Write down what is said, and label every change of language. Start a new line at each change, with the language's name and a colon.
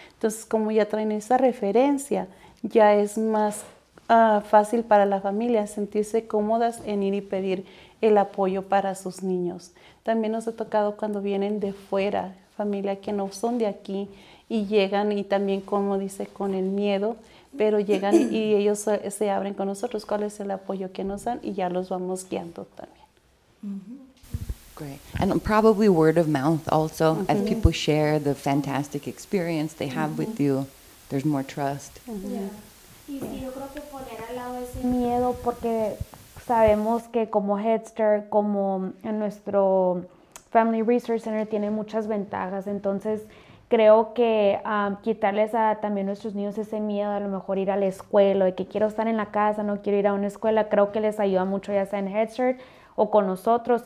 Spanish: Entonces, como ya traen esa referencia, ya es más fácil para la familia sentirse cómodas en ir y pedir el apoyo para sus niños. También nos ha tocado cuando vienen de fuera, familia que no son de aquí y llegan y también, como dice, con el miedo, pero llegan y ellos se abren con nosotros, cuál es el apoyo que nos dan y ya los vamos guiando también.
English: Mm-hmm. Great. And probably word of mouth also, mm-hmm. as people share the fantastic experience they have mm-hmm. with you, there's more trust. Mm-hmm. Yeah.
Spanish: Y sí, yo creo que poner al lado ese miedo, porque sabemos que como Head Start, como en nuestro Family Resource Center, tiene muchas ventajas. Entonces, creo que quitarles a también nuestros niños ese miedo, a lo mejor ir a la escuela, de que quiero estar en la casa, no quiero ir a una escuela, creo que les ayuda mucho ya sea en Head Start o con nosotros.